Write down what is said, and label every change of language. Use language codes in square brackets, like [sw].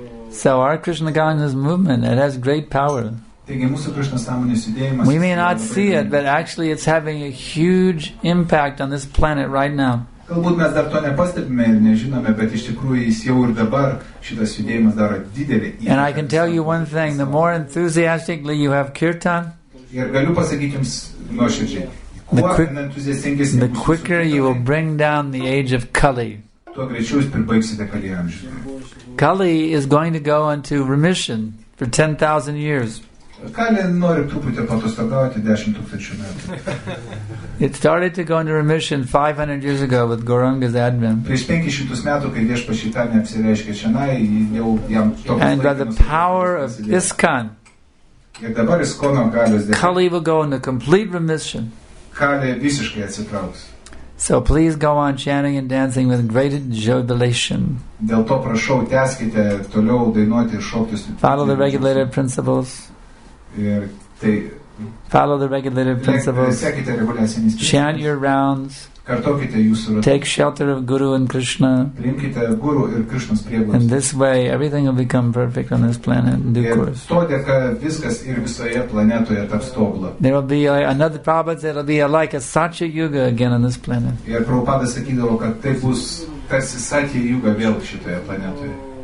[en] So our Krishna consciousness movement, it has great power. We may not see it, but actually it's having a huge impact on this planet right now. [lt] Galbūt mes dar to nepastebime ir nežinome, bet iš tikrųjų jis jau ir dabar šitas judėjimas daro didelį. [en] And I can tell you one thing, the more enthusiastically you have kirtan, [lt] ir galiu pasakyti jums nuoširdžiai, [en] the quicker you will bring down the age of Kali. [lt] Tuo greičiau jūs pribaigsite Kali amžių. [en] Kali is going to go into remission for 10,000 years. [lt] Kali nori truputį patostogauti 10 tūkstančių metų. [en] It started to go into remission 500 years ago with Gauranga's advent. [lt] Prieš 500 metų, kai Viešpats Čaitanya apsireiškė čionai, jau jam toks. [en] And by the power of ISKCON, Kali will go into complete remission. [lt] Kali visiškai atsitrauks. [en] So please go on chanting and dancing with great jubilation. [lt] Dėl to prašau, tęskite toliau dainuoti ir šokti. [en] Follow the regulated principles. Follow the regulated principles. Chant your rounds. [lt] Kartokite jūsų rounds. [en] Take shelter of Guru and Krishna. [lt] Priimkite Guru ir Krishnas prieglaudą. [en] In this way, everything will become perfect on this planet in due course. [lt] To dėka viskas ir visoje planetoje taps tobula. [en] There will be another Prabhupada said, it'll be like a Satya Yuga again on this planet. [lt] Ir Prabhupada sakydavo, kad tai bus tarsi Satya Yuga vėl šitoje planetoje.